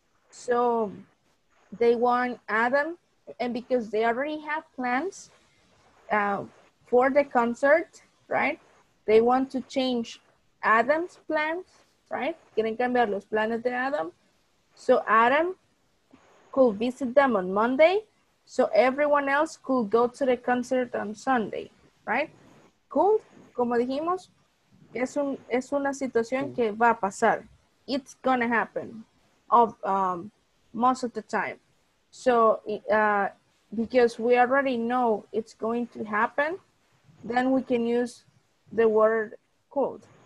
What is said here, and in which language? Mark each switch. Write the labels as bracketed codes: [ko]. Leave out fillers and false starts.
[en] So they want Adam, and because they already have plans for the concert, right? They want to change Adam's plans, right? [es] Quieren cambiar los planes de Adam. [en] So Adam could visit them on Monday, so everyone else could go to the concert on Sunday, right? [es] Cool, como dijimos, es una situación que va a pasar. [en] It's gonna happen of most of the time. So because we already know it's going to happen, then we can use the word could.